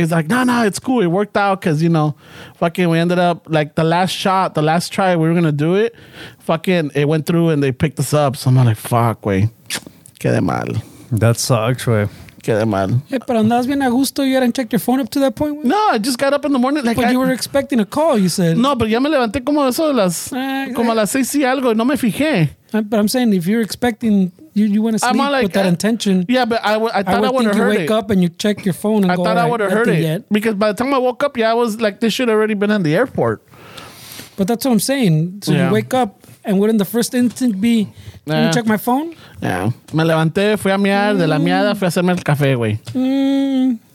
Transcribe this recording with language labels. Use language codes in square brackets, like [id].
[en] He's like, no, it's cool. It worked out because, you know, fucking we ended up, like, the last shot, the last try we were going to do it, fucking it went through and they picked us up. So I'm like, fuck, wey. Quede mal. That sucks, wey. [es] Quede mal. Hey, pero andas bien a gusto. [en] You hadn't checked your phone up to that point? No, I just got up in the morning. Like, but I, you were expecting a call, you said. [es] No, pero ya me levanté como eso de las, como a las 6 y algo. No me fijé. [en] But I'm saying if you're expecting, you went to sleep like, with that intention. Yeah, but I thought I would have heard it. You wake up and you check your phone and I go, thought I would have heard it. Yet. Because by the time I woke up, yeah, I was like, this should have already been in the airport. But that's what I'm saying. So yeah. You wake up and wouldn't the first instinct be, can you check my phone? Yeah. [es] Me levanté, fui a miar, de la miada, fui a hacerme el café, güey.